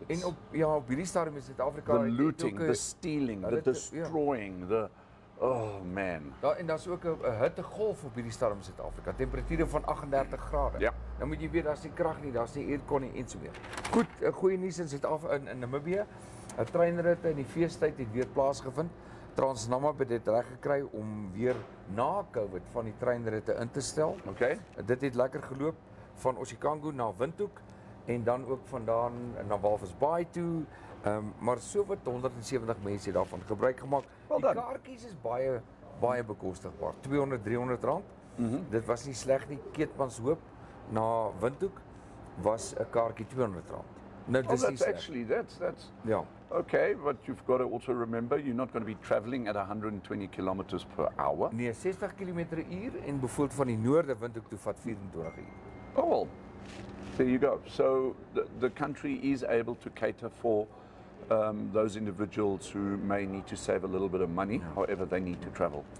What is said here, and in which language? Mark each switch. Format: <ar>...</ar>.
<af>En op ja, op hierdie stadium is Suid-Afrika</af> <en>the looting, the stealing, the destroying, the oh man.</en> <af>Daar en daar's ook 'n hittegolf op hierdie stadium in Suid-Afrika. Temperature van 38 grade. Ja. Dan moet jy weet daar's nie krag nie, daar's nie aircon nie en so meer. Goed, goeie nuus in Suid-Afrika in Namibia. 'N treinritte in die feestyd het weer plaasgevind. Transnamib het dit reg gekry om weer na COVID van die treinritte in te stel.</af> <en>Okay.</en> <af>Dit het lekker geloop van Oshikango na Windhoek en dan ook vandaan na Walvis Bay toe. Maar so wat 170 mense het daarvan gebruik gemaak.</af> <en>Well</en> <af>die kaartjies is baie bekostigbaar. R200-300. Mm-hmm. Dit was nie sleg nie. Keetmanshoop na Windhoek was 'n kaartjie R200.</af> <en>No, oh, that's yeah. Okay, but you've got to also remember you're not going to be traveling at 120 kilometers per hour.</en> <af>Nee, 60 kilometer uur en bevoeld van die noorde wind ook toe vat 24 uur.</af> <en>Oh well, there you go. So the country is able to cater for those individuals who may need to save a little bit of money, however they need to travel.</en>